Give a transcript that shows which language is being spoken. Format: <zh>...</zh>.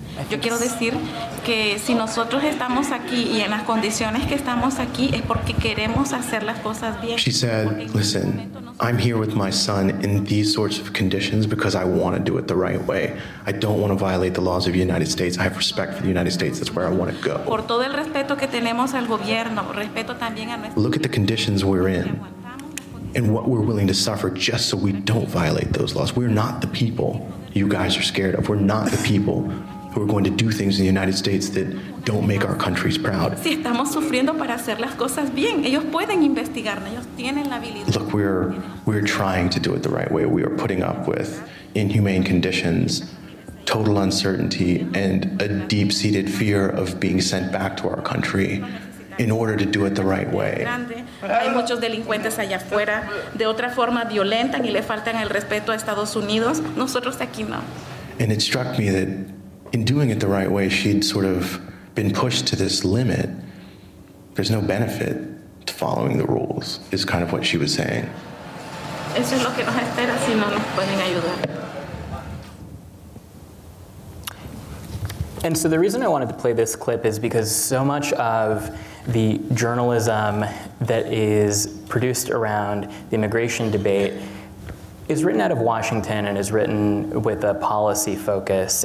<es>Yo quiero decir que si nosotros estamos aquí y en las condiciones que estamos aquí es porque queremos hacer las cosas bien.</es> <en>She said, listen, I'm here with my son in these sorts of conditions because I want to do it the right way. I don't want to violate the laws of the United States. I have respect for the United States. That's where I want to go.</en> <es>Por todo el respeto que tenemos al gobierno, respeto también a nuestro...</es> <en>Look at the conditions we're in and what we're willing to suffer just so we don't violate those laws. We're not the people you guys are scared of. We're not the people who are going to do things in the United States that don't make our countries proud.</en> <es>Si estamos sufriendo para hacer las cosas bien, ellos pueden investigar, ellos tienen la habilidad.</es> <en>Look, we're trying to do it the right way. We are putting up with inhumane conditions, total uncertainty, and a deep-seated fear of being sent back to our country in order to do it the right way.</en> <es>Hay muchos delincuentes allá afuera, de otra forma violentan y le faltan el respeto a Estados Unidos. Nosotros aquí no.</es> <en>And it struck me that in doing it the right way, she'd sort of been pushed to this limit. There's no benefit to following the rules, is kind of what she was saying.</en> <es>Eso es lo que nos espera si no nos pueden ayudar.</es> <en>And so the reason I wanted to play this clip is because so much of the journalism that is produced around the immigration debate is written out of Washington and is written with a policy focus.</en>